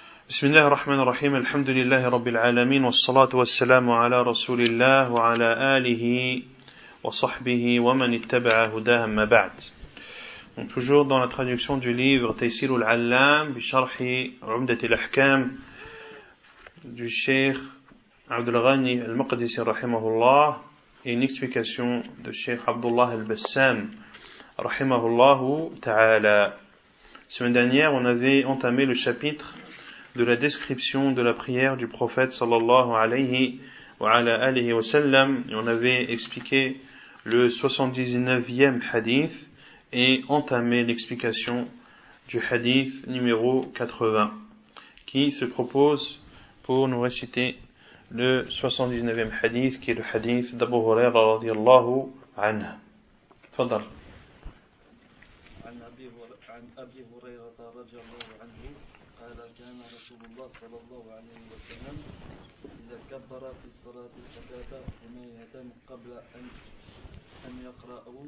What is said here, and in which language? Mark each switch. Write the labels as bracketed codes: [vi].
[ar] بسم الله الرحمن الرحيم الحمد لله رب العالمين والصلاة والسلام على رسول الله وعلى آله وصحبه ومن اتبع هداه ما بعد. [fr] Toujours dans la traduction du livre تيسير العلام بشرح عمدة الأحكام du Cheikh عبد الغني المقدسي [ar] رحمه الله [fr] et une explication de Cheikh Abdullah al-Bassam [ar] رحمه الله تعالى. [fr] Semaine dernière, on avait entamé le chapitre de la description de la prière du prophète [ar] sallallahu alayhi wa ala alihi wa sallam. [fr] Et on avait expliqué le 79e hadith et entamé l'explication du hadith numéro 80 qui se propose pour nous réciter le 79e hadith qui est le hadith d'Abu Huraira [ar] radiallahu anha. Fadal. عن أبي هريرة رضي الله عنه قال كان رسول الله صلى الله عليه وسلم إذا كبر في الصلاة ثلاثة ثنية قبل أن يقرأ